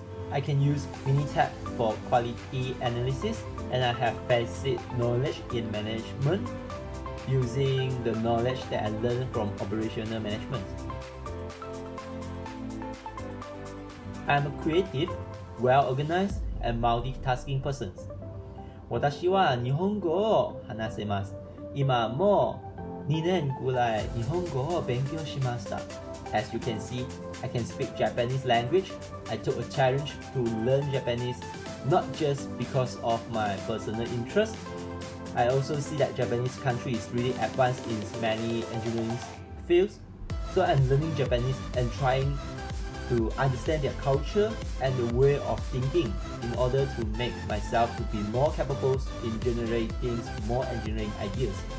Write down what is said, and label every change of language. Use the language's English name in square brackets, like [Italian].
[English] I can use Minitab for quality analysis, and I have basic knowledge in management using the knowledge that I learned from operational management. I'm a creative, well-organized, and multitasking person. [Japanese] 私は日本語を話せます。今も2年くらい日本語を勉強しました。 [English] As you can see, I can speak Japanese language. I took a challenge to learn Japanese, not just because of my personal interest. I also see that Japanese country is really advanced in many engineering fields. So I'm learning Japanese and trying to understand their culture and the way of thinking in order to make myself to be more capable in generating more engineering ideas.